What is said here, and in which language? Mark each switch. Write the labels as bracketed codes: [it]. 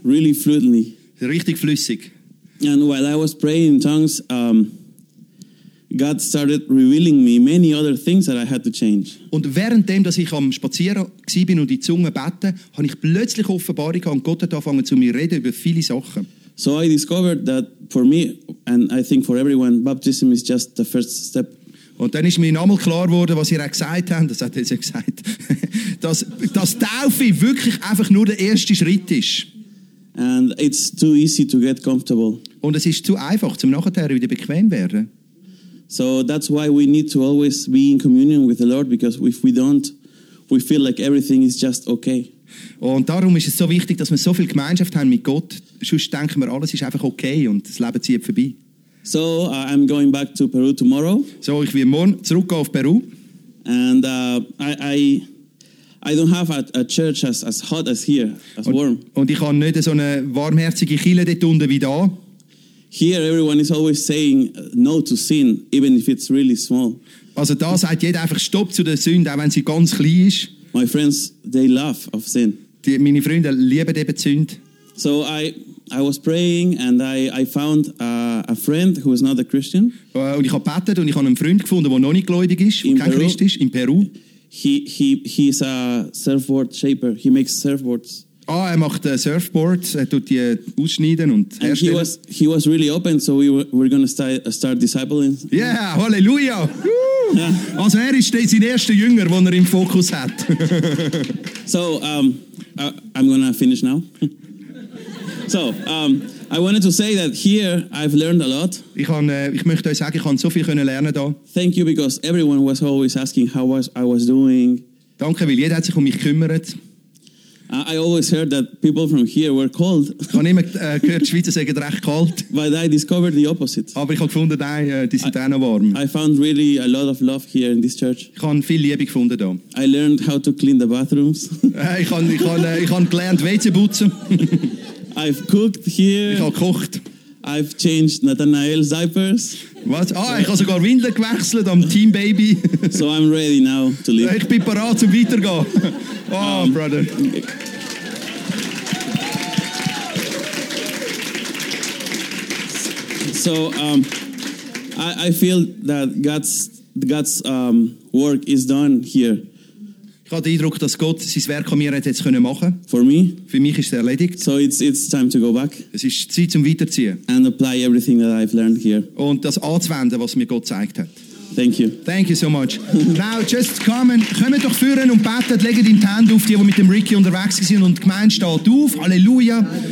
[en] Really fluently. [de] Richtig flüssig. [en] And while I was praying in tongues, God started revealing me many other things that I had to change. [de] Und währenddem, dass ich am Spazieren gsi bin und in Zungen beten, habe ich plötzlich Offenbarung gehabt und Gott hat angefangen zu mir reden über viele Sachen. [en] So I discovered that for me, and I think for everyone, baptism is just the first step. [de] Und dann ist mir nochmal klar geworden, was ihr auch gesagt habt, das hat er gesagt, dass Taufe wirklich einfach nur der erste Schritt ist. [en] And it's too easy to get comfortable. [de] Und es ist zu einfach, um nachher wieder bequem zu werden. [en] So that's why we need to always be in communion with the Lord, because if we don't, we feel like everything is just okay. [de] Und darum ist es so wichtig, dass wir so viel Gemeinschaft haben mit Gott, sonst denken wir, alles ist einfach okay und das Leben zieht vorbei. [en] So I'm going back to Peru tomorrow. [de] So ich will morgen zurück auf Peru. [en] And I don't have a church as hot as here, as warm. [de] Und ich habe nicht so eine warmherzige Kirche dort unten wie da. [en] Here everyone is always saying no to sin, even if it's really small. [de] Also da sagt jeder einfach Stopp zu der Sünde, auch wenn sie ganz klein ist. [en] My friends, they love of sin. [de] Meine Freunde lieben eben Sünde. [en] So I was praying and I found a friend who is not a Christian. [de] Und ich habe betet und ich habe einen Freund gefunden, der noch nicht gläubig ist, kein Peru. Christ ist, in Peru. [en] He is a surfboard shaper. He makes surfboards. [de] Ah, er macht Surfboards, er tut die ausschneiden und herstellen. [en] And he was really open, so we're gonna start discipling. Yeah, halleluja! [de] Also er ist sein erster Jünger, den er im Fokus hat. [en] So, I'm gonna finish now. So, I wanted to say that here I've learned a lot. [de] Ich möchte euch sagen, ich konnte so viel können lernen da. [en] Thank you, because everyone was always asking how I was doing. [de] Danke, weil jeder hat sich um mich gekümmert. [en] I always heard that people from here were cold. [de] Ich habe immer gehört, Schweizer sagen recht kalt. [en] But I discovered the opposite. [de] Aber ich habe gefunden, die sind auch noch warm. [en] I found really a lot of love here in this church. [de] Ich habe viel Liebe gefunden da. [en] I learned how to clean the bathrooms. [de] Ich habe gelernt, WC putzen. [en] I've cooked here. [de] Ich habe gekocht. [en] I've changed Nathanael's diapers. [de] Was? Ah, ich habe sogar Windeln gewechselt am Team Baby. [en] So I'm ready now to leave. [de] Ich bin bereit, um weitergehen. [en] Oh, brother. So, I feel that God's work is done here. [de] Ich habe den Eindruck, dass Gott sein Werk an mir hat jetzt können machen. [en] For me. [de] Für mich ist es erledigt. [en] So it's time to go back. [de] Es ist Zeit zum Weiterziehen. [en] And apply everything that I've learned here. [de] Und das anzuwenden, was mir Gott gezeigt hat. [en] Thank you. Thank you so much. Now just come and [de] kommen doch führen und betet, legen deine Hände auf, die mit dem Ricky unterwegs sind und die Gemeinde steht auf. Halleluja.